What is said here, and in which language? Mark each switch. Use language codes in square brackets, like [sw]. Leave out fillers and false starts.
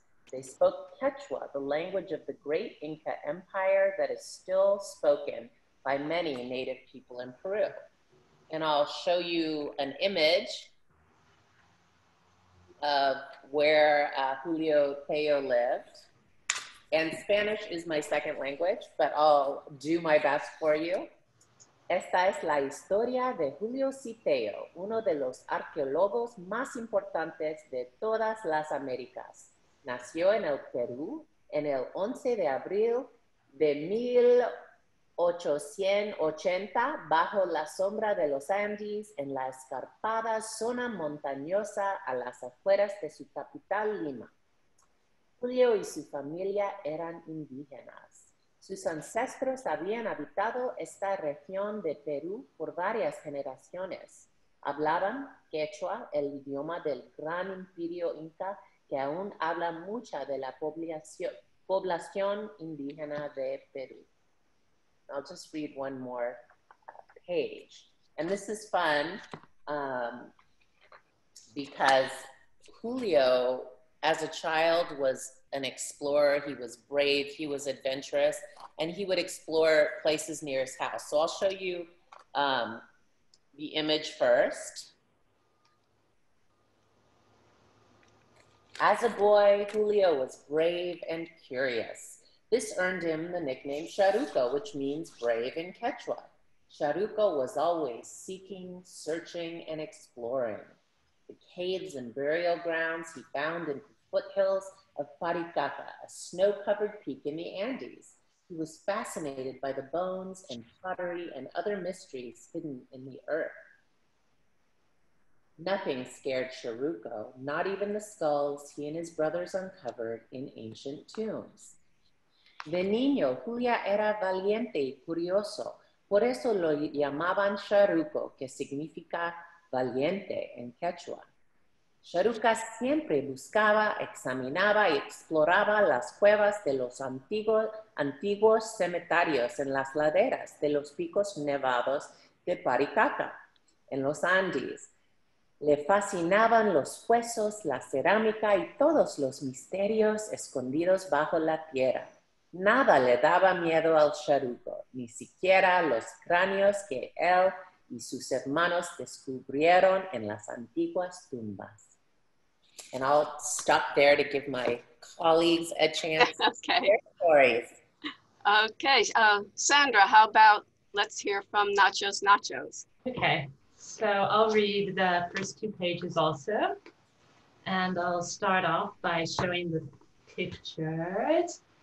[en] They spoke Quechua, the language of the great Inca Empire that is still spoken by many native people in Peru. And I'll show you an image of where Julio Cipeo lived. And Spanish is my second language, but I'll do my best for you. [es] Esta es la historia de Julio Cipeo, uno de los arqueólogos más importantes de todas las Américas. Nació en el Perú en el 11 de abril de 1880 bajo la sombra de los Andes en la escarpada zona montañosa a las afueras de su capital Lima. Julio y su familia eran indígenas. Sus ancestros habían habitado esta región de Perú por varias generaciones. Hablaban Quechua, el idioma del gran imperio Inca, que aún habla mucha de la población indígena de Perú. [en] I'll just read one more page. And this is fun because Julio, as a child, was an explorer. He was brave, he was adventurous, and he would explore places near his house. So I'll show you the image first. As a boy, Julio was brave and curious. This earned him the nickname Sharuko, which means brave in Quechua. Sharuko was always seeking, searching, and exploring. The caves and burial grounds he found in the foothills of Paricata, a snow-covered peak in the Andes. He was fascinated by the bones and pottery and other mysteries hidden in the earth. Nothing scared Shiruko, not even the skulls he and his brothers uncovered in ancient tombs. [es] De niño, Julio era valiente y curioso. Por eso lo llamaban Shiruko, que significa valiente en Quechua. Shiruko siempre buscaba, examinaba y exploraba las cuevas de los antiguos cementerios en las laderas de los picos nevados de Paricata, en los Andes. Le fascinaban los huesos, la cerámica y todos los misterios escondidos bajo la tierra. Nada le daba miedo al charuco, ni siquiera los cráneos que él y sus hermanos descubrieron en las antiguas tumbas. [en] And I'll stop there to give my colleagues a chance okay. to hear stories. Okay, Sandra, how about let's hear from Nacho's Nachos. Okay, so I'll read the first two pages also. And I'll start off by showing the pictures.